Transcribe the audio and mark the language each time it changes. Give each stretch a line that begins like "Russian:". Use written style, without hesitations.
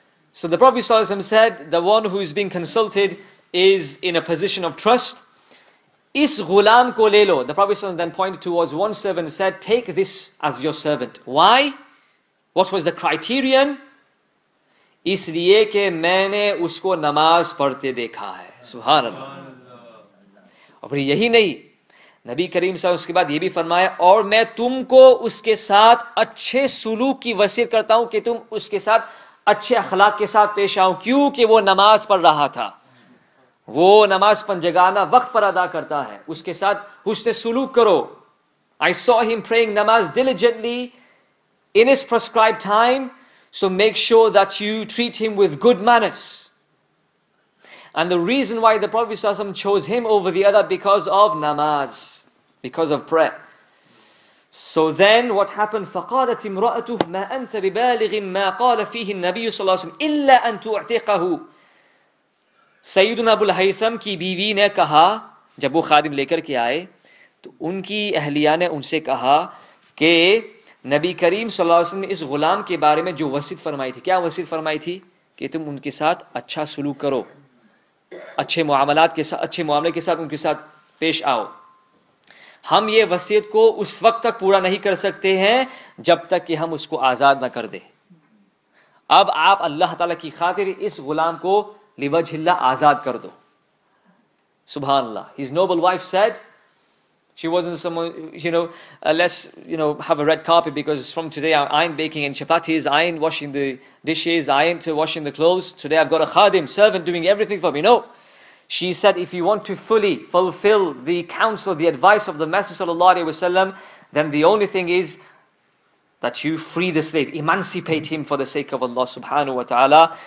English: So the Prophet sallallahu alaihi wasallam said, the one who is being consulted is in a position of trust.
Urdu: Is ghulam ko le lo,
English: the Prophet then pointed towards one servant and said, take this as your servant. Why? What was the criterion?
Urdu: اس لیے کہ میں نے اس کو نماز پڑھتے دیکھا ہے.
Arabic: Subhanallah.
Urdu: Aur yahi nahi, نبی کریم صاحب اس کے بعد یہ بھی فرمایا, اور میں تم کو اس کے ساتھ اچھے سلوک کی وصیت کرتا ہوں کہ تم اس کے ساتھ اچھے اخلاق کے ساتھ پیش آؤ, کیونکہ وہ نماز پڑھ رہا تھا, وہ نماز پن جگانا وقت پر ادا کرتا ہے, اس کے ساتھ حسن سلوک کرو.
English: I saw him praying namaz diligently in his prescribed time, so make sure that you treat him with good manners. And the reason why the Prophet ﷺ chose him over the other, because of namaz, because of prayer. So then what happened?
Arabic: فَقَالَتْ اِمْرَأَتُهُ مَا أَنْتَ بِبَالِغٍ مَا قَالَ فِيهِ النَّبِيُّ صلی اللہ علیہ وسلم إِلَّا أَن تُعْتِقَهُ.
Urdu: سیدنا ابو الحیثم کی بیوی نے کہا, جب وہ خادم لے کر کے آئے تو ان کی اہلیہ نے ان سے کہا کہ نبی کریم صلی اللہ علیہ وسلم نے اس غلام کے بارے میں جو وصیت فرمائی تھی, کیا وصیت فرمائی تھی؟ کہ تم ان کے ساتھ اچھا سلوک کرو, اچھے معاملات کے ساتھ, اچھے معاملے کے ساتھ ان کے ساتھ پیش آؤ. ہم یہ وصیت کو اس وقت تک پورا نہیں کر سکتے ہیں جب تک کہ ہم اس کو آزاد نہ کر دیں. اب آپ اللہ تعالی کی خاطر اس غلام کو لوجہ اللہ آزاد کر دو. سبحان اللہ.
English: His noble wife said, she wasn't someone, you know, let's, you know, have a red carpet, because from today I ain't baking any chapatis, I ain't washing the dishes, I ain't washing the clothes. Today I've got a khadim, servant, doing everything for me. No. She said, if you want to fully fulfill the counsel, the advice of the Messenger sallallahu alayhi wa sallam, then the only thing is that you free the slave, emancipate him for the sake of Allah subhanahu wa ta'ala.